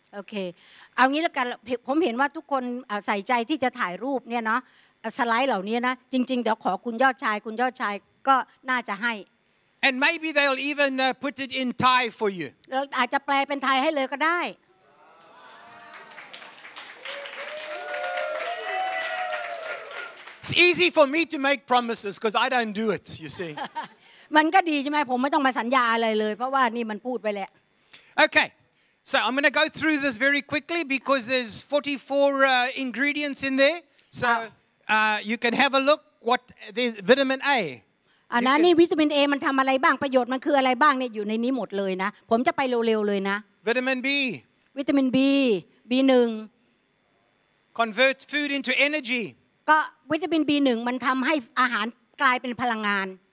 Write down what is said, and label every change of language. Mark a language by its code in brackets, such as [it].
[th] okay เอางี้ละกันผมเห็นว่าทุกคนใส่ใจที่จะถ่ายรูปเนี่ยเนาะสไลด์เหล่านี้นะจริงๆเดี๋ยวขอคุณยอดชายก็น่าจะให้ [en] and maybe they'll even put it in Thai for you [th] อาจจะแปลเป็นไทยให้เลยก็ได้ [en] It's easy for me to make promises because I don't do it. You see. [th] มันก็ดีใช่ไหมผมไม่ต้องมาสัญญาอะไรเลยเพราะว่านี่มันพูดไปแล้ว [en] Okay. So I'm going to go through this very quickly because there's 44 ingredients in there. So you can have a look what the vitamin A. [th] อันนั้นนี่วิตามิน A มันทำอะไรบ้างประโยชน์มันคืออะไรบ้างเนี่ยอยู่ในนี้หมดเลยนะผมจะไปเร็วๆเลยนะ [en] Vitamin B. [th] วิตามิน B 1 [en] convert food into energy [th] ก็วิตามิน B 1มันทําให้อาหารกลายเป็นพลังงาน